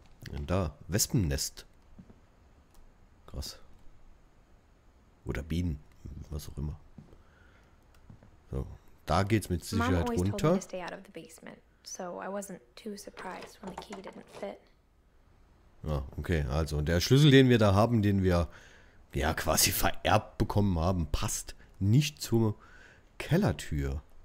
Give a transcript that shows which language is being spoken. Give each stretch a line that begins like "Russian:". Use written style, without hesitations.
German: Und da, Wespennest. Krass. Oder Bienen, was auch immer. So, da geht's mit Sicherheit runter.
English: So I wasn't too surprised when the key didn't fit.
German: Ah, okay, also der Schlüssel, den wir da haben, den wir ja quasi vererbt bekommen haben, passt nicht zur Kellertür.